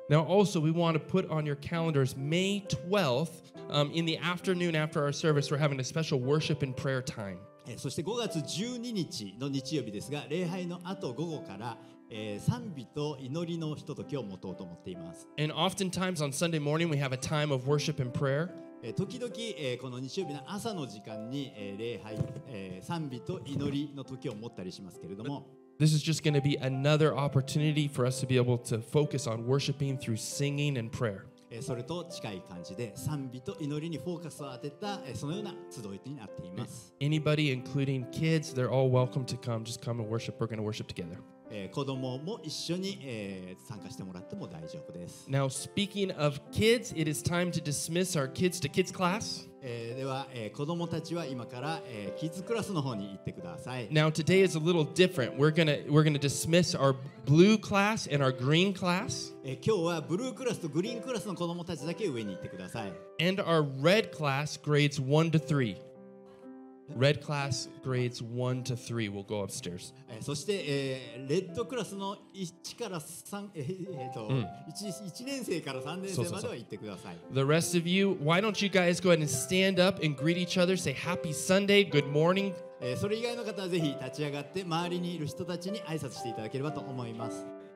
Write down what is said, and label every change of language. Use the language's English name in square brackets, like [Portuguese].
[English] Now also, we want to put on your calendars May 12th, in the afternoon after our service, we're having a special worship and prayer time. [Japanese] そして5月12日の日曜日ですが、礼拝の後午後から賛美と祈りのひとときを持とうと思っています。 [English] And oftentimes on Sunday morning we have a time of worship and prayer. [Japanese] 時々、この日曜日の朝の時間に、礼拝、賛美と祈りの時を持ったりしますけれども。 [English] This is just going to be another opportunity for us to be able to focus on worshiping through singing and prayer. [Japanese] それと近い感じで賛美と祈りにフォーカスを当てた、そのような集いになっています。 [English] Anybody, including kids, they're all welcome to come. Just come and worship. We're going to worship together. [Japanese] 子供も一緒に、参加してもらっても大丈夫です。 [English] Now, speaking of kids, it is time to dismiss our kids to kids class. [Japanese] では、子供たちは今から、キッズクラスの方に行ってください。 [English] Now, today is a little different. We're gonna dismiss our blue class and our green class. [Japanese] 今日はブルークラスとグリーンクラスの子供たちだけ上に行ってください。 [English] And our red class, grades 1 to 3. Red class grades 1 to 3 will go upstairs. [Japanese] そして、レッドクラスの1から3、1年生から3年生までは行ってください。 [English] The rest of you, why don't you guys go ahead and stand up and greet each other, say happy Sunday, good morning. [Japanese] それ以外の方はぜひ立ち上がって周りにいる人たちに挨拶していただければと思います。